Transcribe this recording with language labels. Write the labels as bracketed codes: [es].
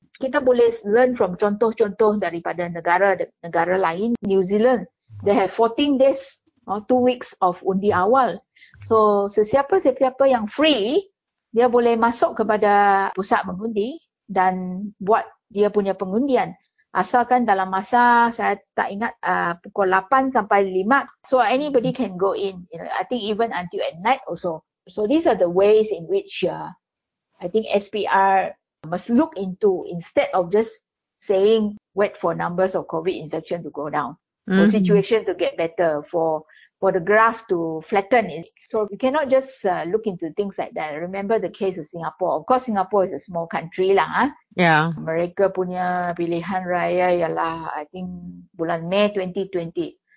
[ms] Kita boleh learn from contoh-contoh daripada negara-negara lain. [en] New Zealand, they have 14 days or 2 weeks of [ms] undi awal. So sesiapa-sesiapa yang free, dia boleh masuk kepada pusat mengundi dan buat dia punya pengundian. Asalkan dalam masa, saya tak ingat, pukul 8 sampai 5. [en] So anybody can go in. You know, I think even until at night also. So these are the ways in which I think SPR must look into, instead of just saying wait for numbers of COVID infection to go down. Mm-hmm. For situation to get better, for the graph to flatten it. So we cannot just look into things like that. Remember the case of Singapore. Of course, Singapore is a small country lah. Yeah. [ms] Mereka punya pilihan raya ialah, [en] I think, [ms] bulan Mei 2020.